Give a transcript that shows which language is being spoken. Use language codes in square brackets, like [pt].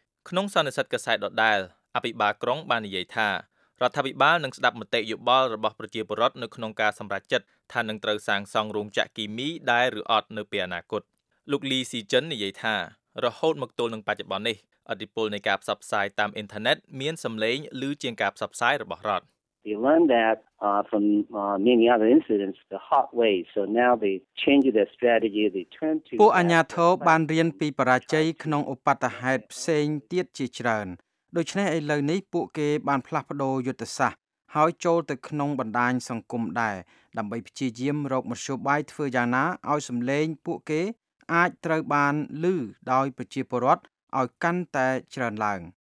[km] ក្នុងសន្និសីទកាសែតដដែលអភិបាលក្រុងបាននិយាយថារដ្ឋាភិបាលនឹងស្ដាប់មតិយោបល់របស់ប្រជាពលរដ្ឋនៅក្នុងការសម្រេចចិត្តថានឹងត្រូវសាងសង់រោងចក្រគីមីដែរឬអត់នៅពេលអនាគតលោកលីស៊ីចិននិយាយថារហូតមកទល់នឹងបច្ចុប្បន្ននេះអតិពលនៃការផ្សព្វផ្សាយតាមអ៊ីនធឺណិតមានសម្លេងឬជាងការផ្សព្វផ្សាយរបស់រដ្ឋ [en] They learned that from many other incidents the hot way so now they changed their strategy they turned to [km] ពួកអញ្ញាធោបានរៀនពីបរាជ័យក្នុងឧបតហេតុផ្សេងទៀតជាច្រើនដូច្នេះឥឡូវនេះពួកគេបានផ្លាស់ប្ដូរយុទ្ធសាស្ត្រហើយចូលទៅក្នុងបណ្ដាញសង្គមដែរដើម្បីព្យាយាមរកមធ្យោបាយធ្វើយ៉ាងណាឲ្យសម្លេងពួកគេអាចត្រូវបានឮដោយប្រជាពលរដ្ឋឲ្យកាន់តែច្រើនឡើង